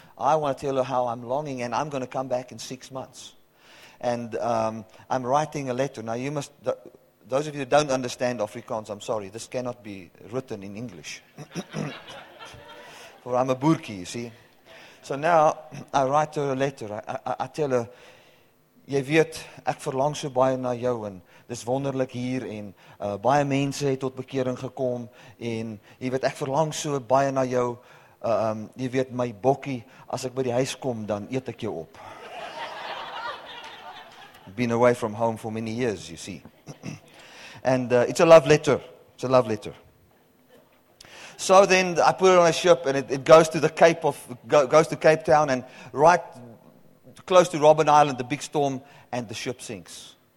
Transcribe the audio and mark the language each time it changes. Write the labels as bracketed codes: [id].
[en] I want to tell her how I'm longing, and I'm going to come back in 6 months. And I'm writing a letter. Now, you must, those of you who don't understand Afrikaans, I'm sorry, this cannot be written in English. For I'm a Boerkie, you see. So now, I write her a letter. I tell her, [af] jy weet, ek verlang so baie na jou, en dis wonderlik hier, en baie mense het tot bekering gekom, en jy weet, ek verlang so baie na jou, jy weet, my bokkie, as ek by die huis kom, dan eet ek jou op. [en] Been away from home for many years, you see. And it's a love letter, it's a love letter. So then I put it on a ship, and it goes to the Cape of goes to Cape Town, and right close to Robben Island, the big storm, and the ship sinks.